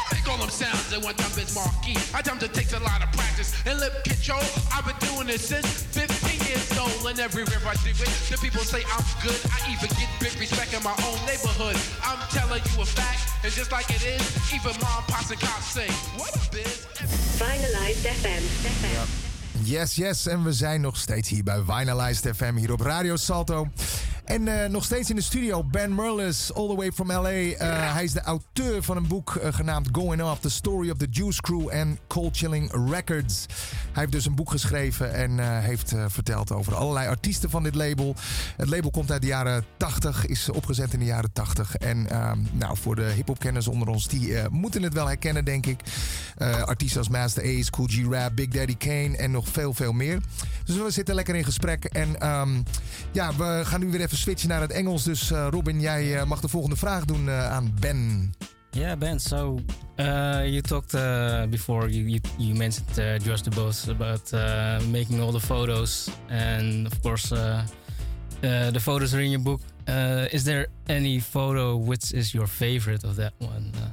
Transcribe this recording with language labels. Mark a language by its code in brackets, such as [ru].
[en] All them sounds and one time it's marquee. I jumped, it takes a lot of practice and lip control. I've been doing this since 15 years old. And everywhere I do it, the people say I'm good. I even get big respect in my own neighborhood. I'm telling you a fact, it's just like it is. Even mom, pops, and cops say, what up, biz? Finalized FM. Yes, yes, [nl] en we zijn nog steeds hier bij Vinylized FM, hier op Radio Salto. En nog steeds in de studio, Ben Merlis, [en] all the way from LA. [nl] Hij is de auteur van een boek genaamd Going Off, The Story of the Juice Crew and Cold Chilling Records. Hij heeft dus een boek geschreven en heeft verteld over allerlei artiesten van dit label. Het label komt uit de jaren 80, is opgezet in de jaren 80. En nou, voor de hiphopkenners onder ons, die moeten het wel herkennen, denk ik. Artiesten als Master Ace, Kool G Rap, Big Daddy Kane en nog veel, veel meer. Dus we zitten lekker in gesprek. En ja, we gaan nu weer even switchen naar het Engels. Dus Robin, jij mag de volgende vraag doen aan Ben. [en] Ja, yeah, Ben, so you talked before, you mentioned Josh DeBose about making all the photos. And of course, the photos are in your book. Is there any photo which is your favorite of that one?